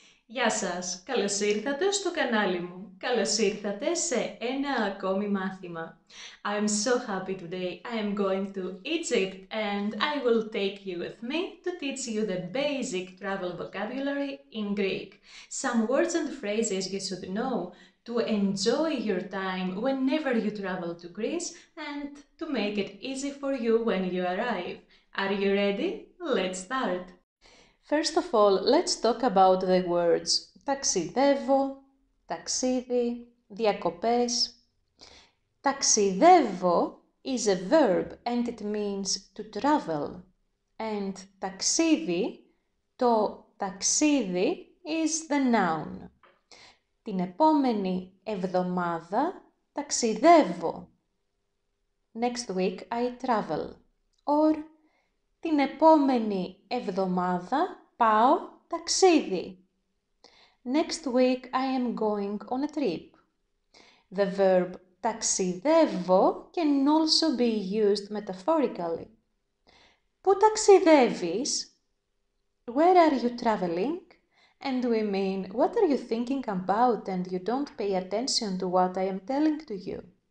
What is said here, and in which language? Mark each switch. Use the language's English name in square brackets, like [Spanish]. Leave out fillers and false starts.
[Greek] Γεια σας, καλώς ήρθατε στο κανάλι μου. Καλώς ήρθατε σε ένα ακόμη μάθημα. [English] I'm so happy today. I am going to Egypt and I will take you with me to teach you the basic travel vocabulary in Greek. Some words and phrases you should know to enjoy your time whenever you travel to Greece and to make it easy for you when you arrive. Are you ready? Let's start! First of all, let's talk about the words ταξιδεύω, ταξίδι, διακοπές. Ταξιδεύω is a verb and it means to travel. And ταξίδι, το ταξίδι is the noun. [Greek] Την επόμενη εβδομάδα ταξιδεύω. [English] Next week I travel. Or [Greek] την επόμενη εβδομάδα πάω ταξίδι. [English] Next week I am going on a trip. The verb ταξιδεύω can also be used metaphorically. [Greek] Πού ταξιδεύεις? [English] Where are you traveling? And we mean, what are you thinking about and you don't pay attention to what I am telling to you?